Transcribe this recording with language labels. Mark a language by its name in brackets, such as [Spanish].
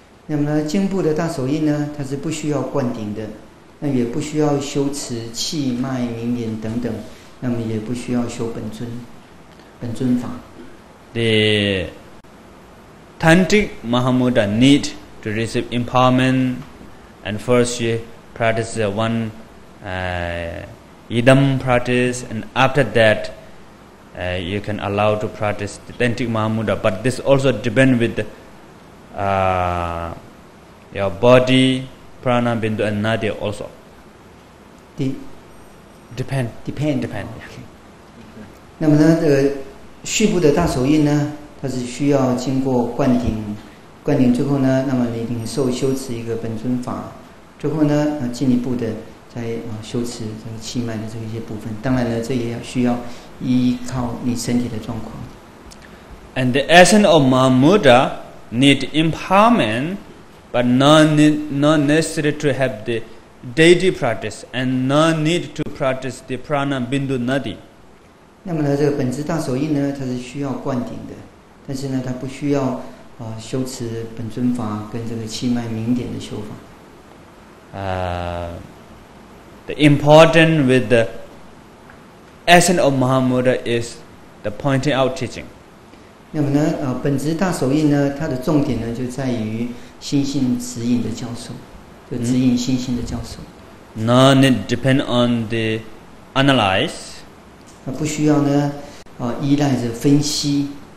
[Chinese] 那么呢，经部的大手印呢，它是不需要灌顶的，那也不需要修持气脉名言等等，那么也不需要修本尊法。 [English] The tantric Mahamudra need to receive empowerment, and first she practice one. Idam practice, and after that, you can allow to practice the authentic Mahamudra. But this also depends with your body, prana, bindu, and nadi also. Depend. Okay. [Chinese] 那么呢，这个续部的大手印呢，它是需要经过灌顶之后呢，那么你领受修持一个本尊法之后呢，进一步的。在修持这个气脉的这些部分，当然了，这也需要依靠你身体的状况。 [English] And the essence of Mahamudra need empowerment, but not necessary to have the deity practice, and not need to practice the prana bindu nadi. [Chinese] 那么呢，这个本质大手印呢，它是需要灌顶的，但是呢，它不需要修持本尊法跟这个气脉明点的修法。 [English] The important with the essence of Mahamudra is the pointing out teaching. [Chinese] 那么呢，本质大手印呢，它的重点呢就在于心性指引的教授，就指引心性的教授。 [English] No need depend on the analyze. [Chinese] 那不需要呢，依赖着分析。